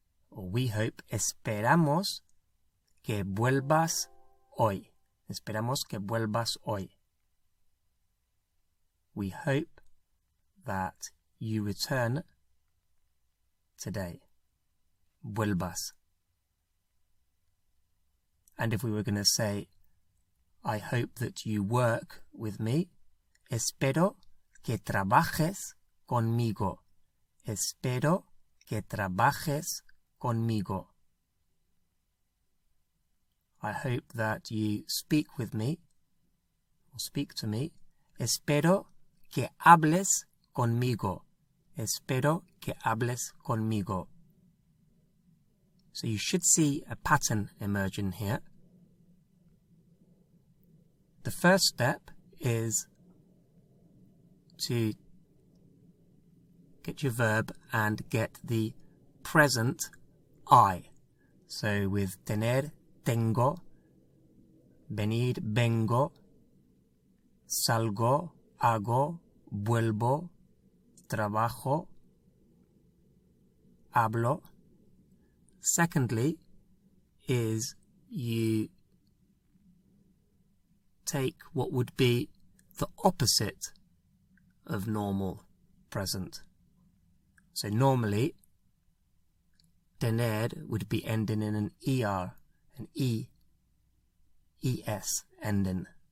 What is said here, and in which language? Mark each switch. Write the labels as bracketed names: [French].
[English] Or we hope, [Spanish] esperamos que vuelvas hoy. Esperamos que vuelvas hoy. [English] We hope that you return today. Vuelvas. And if we were going to say, I hope that you work with me. [Spanish] Espero que trabajes conmigo. Espero que trabajes conmigo. [English] I hope that you speak with me, or speak to me. [Spanish] Espero que hables conmigo. Espero que hables conmigo. [English] So you should see a pattern emerging here. The first step is to get your verb and get the present I. So with tener, tengo, venir, vengo, salgo, hago, vuelvo, trabajo, hablo. Secondly, is you take what would be the opposite of normal present. So normally, tener would be ending in an ER, an E, ES ending.